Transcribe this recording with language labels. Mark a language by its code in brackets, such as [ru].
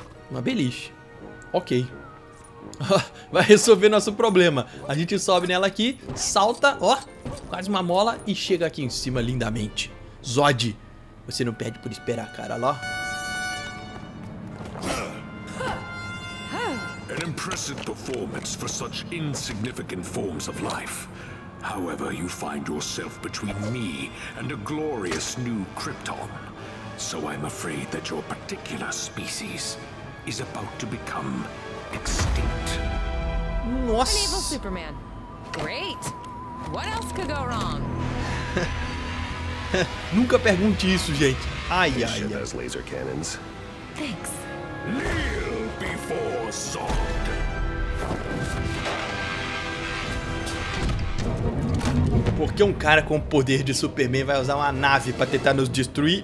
[pt] Uma beliche. Ok. Vai resolver nosso problema. A gente sobe nela aqui, salta, ó, quase uma mola e chega aqui em cima lindamente. Zod, você não perde por esperar, cara, lá. [en] An impressive performance for such insignificant forms of life. However, you find yourself between me and a glorious new Krypton. So I'm afraid that your particular species is about to become extinct. [pt] Nossa. [en] An evil Superman. Great. What else could go wrong? [pt] Nunca pergunte isso, gente. Ai, ai, ai. [en] Those laser cannons. Thanks. Kneel before Zod. [pt] Por que um cara com o poder de Superman vai usar uma nave pra tentar nos destruir?